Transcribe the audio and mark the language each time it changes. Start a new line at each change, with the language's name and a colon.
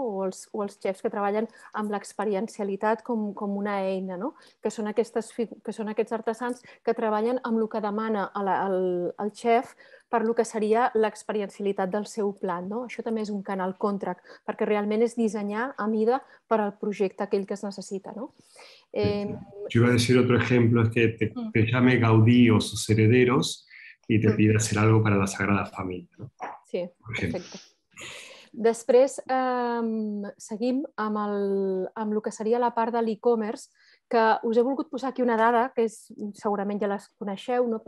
Catalan: o els xefs que treballen amb l'experiencialitat com una eina, no? que són aquests artesans que treballen amb el que demana el xef per el que seria l'experiencialitat del seu plat. No? Això també és un canal contract, perquè realment és dissenyar a mida per al projecte aquell que es necessita. No?
Spanish: Yo iba a decir otro ejemplo, es que te llame Gaudí o sus herederos y te pida hacer algo para la Sagrada Familia. ¿No? Sí, perfecto.
Catalan: Després, seguim amb el que seria la part de l'e-commerce, que us he volgut posar aquí una dada, que és, segurament ja les coneixeu, no?